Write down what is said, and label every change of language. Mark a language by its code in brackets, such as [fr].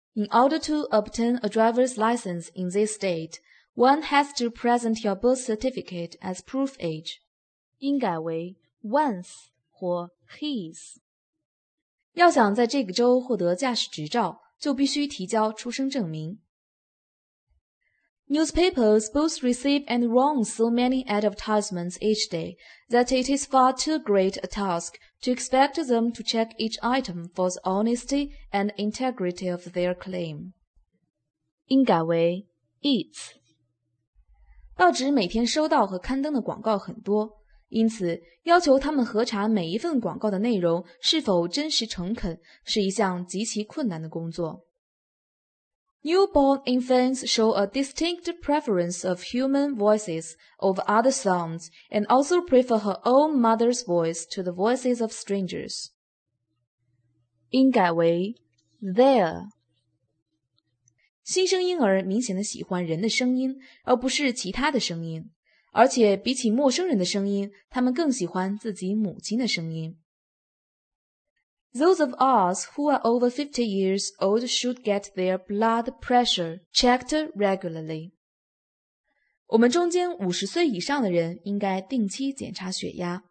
[en] In order to obtain a driver's license in this state, one has to present your birth certificate as proof age. [zh] 应改为 one's 或 his。要想在这个州获得驾驶执照，就必须提交出生证明。 [en] Newspapers both receive and run so many advertisements each day that it is far too great a task to expect them to check each item for the honesty and integrity of their claim. [zh] 应改为 its。报纸每天收到和刊登的广告很多，因此要求他们核查每一份广告的内容是否真实诚恳是一项极其困难的工作。 [en] Newborn infants show a distinct preference of human voices over other sounds and also prefer her own mother's voice to the voices of strangers. [zh] 应改为 there. 新生婴儿明显地喜欢人的声音而不是其他的声音，而且比起陌生人的声音，他们更喜欢自己母亲的声音。 [en] Those of us who are over 50 years old should get their blood pressure checked regularly. [zh] 我们中间50岁以上的人应该定期检查血压。